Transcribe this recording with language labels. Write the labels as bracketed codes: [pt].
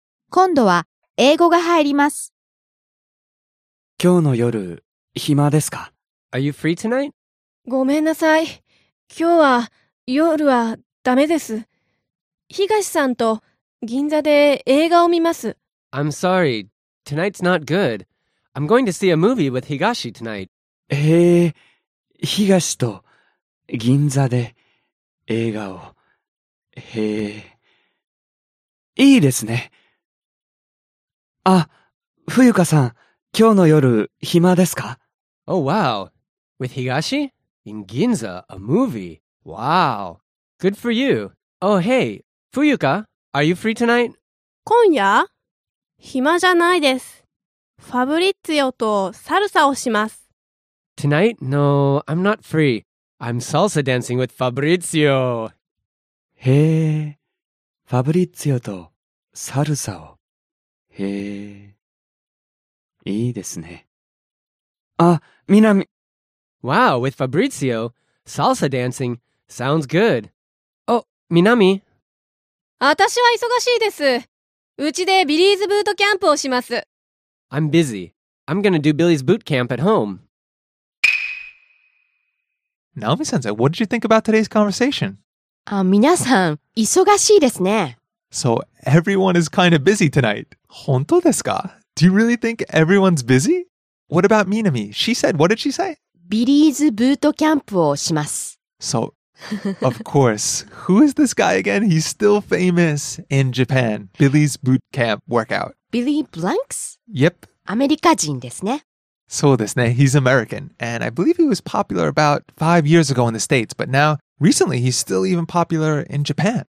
[ja] 今度は英語が入ります。今日の夜、暇ですか? [en] Are you free tonight? [ja] ごめんなさい。今日は夜はダメです。東さんと銀座で映画を見ます。 [en] I'm sorry. Tonight's not good. I'm going to see a movie with Higashi tonight. [ja] へえ、東と銀座で映画を。へえ、いいですね。あ、冬香さん、今日の夜、暇ですか? [en] Oh, wow. With Higashi? In Ginza, a movie. Wow. Good for you. Oh, hey, Fuyuka, are you free tonight? [ja] 今夜、暇じゃないです。ファブリッツィオとサルサをします。 [en] Tonight? No, I'm not free. I'm salsa dancing with Fabrizio. [ja] へえ、ファブリッツィオとサルサを。へえ、いいですね。 [en] Minami. Wow, with Fabrizio, salsa dancing sounds good. Oh, Minami. [ja] 私は忙しいです。うちでビリーズブートキャンプをします。 [en] I'm busy. I'm gonna do Billy's boot camp at home. Naomi-sensei, what did you think about today's conversation? [ja] 皆さん、忙しいですね。 [en] So everyone is kind of busy tonight. [ja] 本当ですか? [en] Do you really think everyone's busy? What about Minami? She said, what did she say? [ja] ビリーズブートキャンプをします。 [en] So, of course, who is this guy again? He's still famous in Japan. Billy's boot camp workout. Billy Blanks? Yep. [ja] アメリカ人ですね。そうですね。 [en] He's American. And I believe he was popular about 5 years ago in the States. But now, recently, he's still even popular in Japan.